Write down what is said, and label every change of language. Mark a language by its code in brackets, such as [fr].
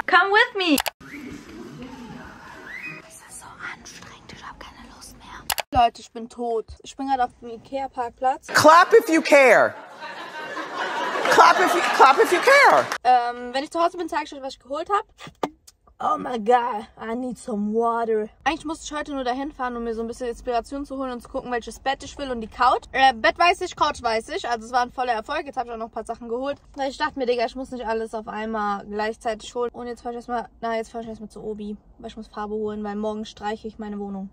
[en] Come with me! [de] Das ist so anstrengend, ich habe keine Lust mehr. Leute, ich bin tot. Ich bin gerade auf dem Ikea-Parkplatz. [en] Clap if you care! Clap if you care. [de] Wenn ich zu Hause bin, zeige ich euch, was ich geholt habe. [en] Oh my God, I need some water. [de] Eigentlich musste ich heute nur dahin fahren, um mir so ein bisschen Inspiration zu holen und zu gucken, welches Bett ich will und die Couch. Bett weiß ich, Couch weiß ich. Also es war ein voller Erfolg. Jetzt habe ich auch noch ein paar Sachen geholt. Ich dachte mir, Digga, ich muss nicht alles auf einmal gleichzeitig holen. Und jetzt fahre ich erstmal, zu Obi, weil ich muss Farbe holen, weil morgen streiche ich meine Wohnung.